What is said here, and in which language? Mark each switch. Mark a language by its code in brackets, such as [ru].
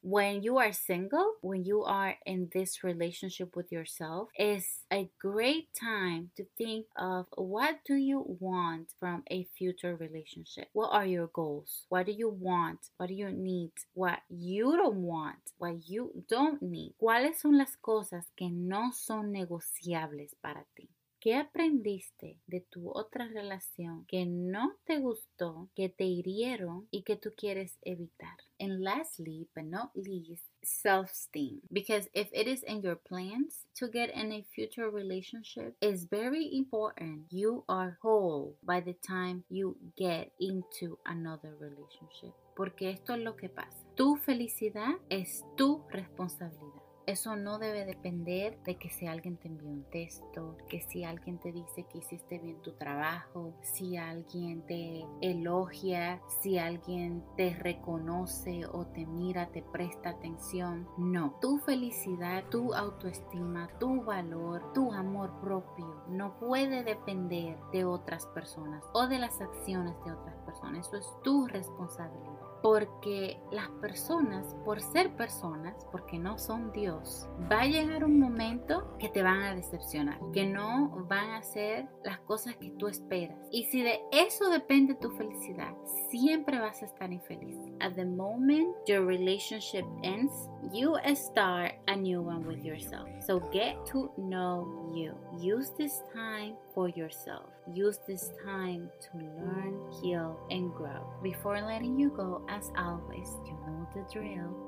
[en] When you are single, when you are in this relationship with yourself, it's a great time to think of what do you want from a future relationship? What are your goals? What do you want? What do you need? What you don't want, what you don't need. [es] ¿Cuáles son las cosas que no son negociables para ti? ¿Qué aprendiste de tu otra relación que no te gustó, que te hirieron y que tú quieres evitar? [en] And lastly, but not least, self-esteem. Because if it is in your plans to get in a future relationship, it's very important you are whole by the time you get into another relationship. [es] Porque esto es lo que pasa. Tu felicidad es tu responsabilidad. Eso no debe depender de que si alguien te envió un texto, que si alguien te dice que hiciste bien tu trabajo, si alguien te elogia, si alguien te reconoce o te mira, te presta atención. No. Tu felicidad, tu autoestima, tu valor, tu amor propio no puede depender de otras personas o de las acciones de otras personas. Eso es tu responsabilidad. Porque las personas, por ser personas, porque no son Dios, va a llegar un momento que te van a decepcionar, que no van a ser las cosas que tú esperas. Y si de eso depende tu felicidad, siempre vas a estar infeliz. [en] At the moment your relationship ends, you start a new one with yourself. So get to know you. Use this time for yourself. Use this time to learn, heal, and grow. Before letting you go, as always, you know the drill.